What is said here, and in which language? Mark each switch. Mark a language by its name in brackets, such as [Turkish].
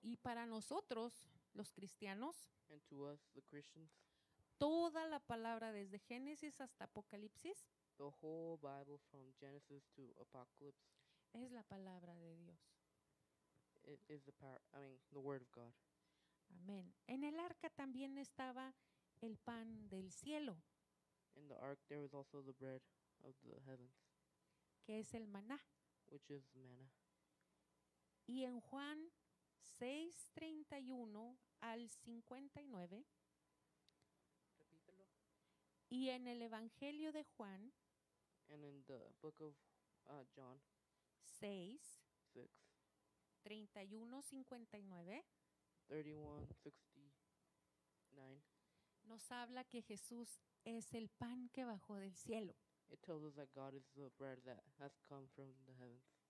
[Spanish] Y para nosotros, los cristianos. [English] And to us, the Christians. [Spanish] Toda la palabra desde Génesis hasta Apocalipsis. [English] The whole Bible from Genesis to Apocalypse. [Spanish] Es la palabra de Dios. [English] It is the power, I mean, the word of God. [Spanish] Amén. En el arca también estaba el pan del cielo. [English] In the ark there was also the bread of the heavens. [Spanish] Que es el maná. [English] Which is manna. [Spanish] Y en Juan 6:31 al 59. Repítelo. Y en el Evangelio de Juan. [English] And in the book of John. 6. 31:59. 31:59. [Spanish] Nos habla que Jesús es el pan que bajó del cielo. [English] It tells us that God is the bread that has come from the heavens.